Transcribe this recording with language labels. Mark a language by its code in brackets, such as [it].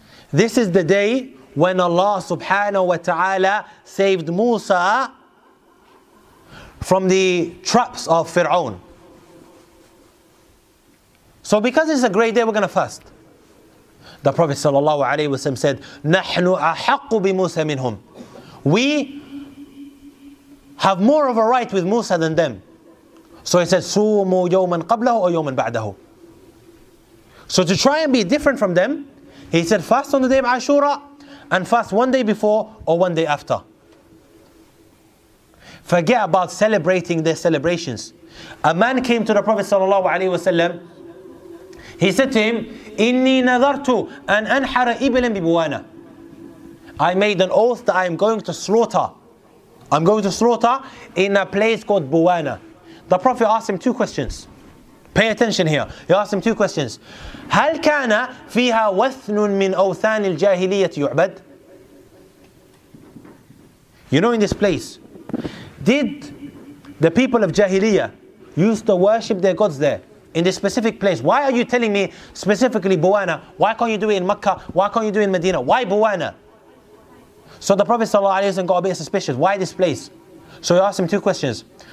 [en] This is the day when Allah subhanahu wa ta'ala saved Musa from the traps of Fir'aun. So because it's a great day, we're going to fast. The Prophet sallallahu alaihi wasallam said, [ar] نَحْنُ أَحَقُّ بِمُوسَى مِنْهُمْ. [en] We have more of a right with Musa than them. So he said, [ar] سُومُوا يَوْمًا قَبْلَهُ أَوْ يَوْمًا بَعْدَهُ. [en] So to try and be different from them, he said, fast on the day of Ashura, and fast one day before or one day after. Forget about celebrating their celebrations. A man came to the Prophet sallallahu alaihi wasallam. He said to him, [ar] "Inni nadartu an anhara iblan bibuwana." [en] I made an oath that I'm going to slaughter in a place called Buwana. The Prophet asked him two questions. Pay attention here. He asked him two questions. [ar] هل كان فيها وثن من أوثان الجاهلية يعبد? [en] You know, in this place, did the people of Jahiliyyah used to worship their gods there? In this specific place. Why are you telling me specifically Buwana? Why can't you do it in Makkah? Why can't you do it in Medina? Why Buwana? So the Prophet ﷺ got a bit suspicious. Why this place? So he asked him two questions.